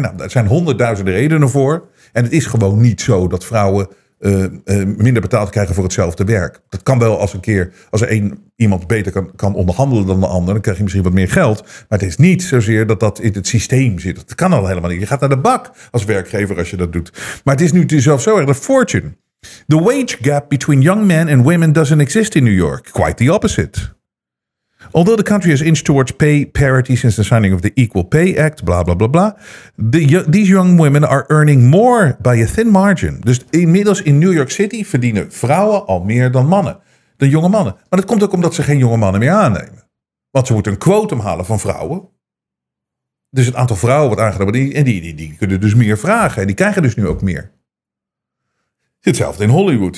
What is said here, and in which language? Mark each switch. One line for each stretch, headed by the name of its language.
Dutch: Nou, daar zijn 100.000 redenen voor en het is gewoon niet zo dat vrouwen minder betaald krijgen voor hetzelfde werk. Dat kan wel als er iemand beter kan onderhandelen dan de ander, dan krijg je misschien wat meer geld. Maar het is niet zozeer dat in het systeem zit. Dat kan al helemaal niet. Je gaat naar de bak als werkgever als je dat doet. Maar het is nu zelfs zo erg de fortune.
English: The wage gap between young men and women doesn't exist in New York. Quite the opposite. Although the country has inched towards pay parity since the signing of the Equal Pay Act, blah, blah, blah, blah, these young women are earning more by a thin margin.
Dutch: Dus inmiddels in New York City verdienen vrouwen al meer dan mannen, de jonge mannen. Maar dat komt ook omdat ze geen jonge mannen meer aannemen. Want ze moeten een quotum halen van vrouwen. Dus het aantal vrouwen wordt aangenomen en die kunnen dus meer vragen en die krijgen dus nu ook meer. Hetzelfde in Hollywood.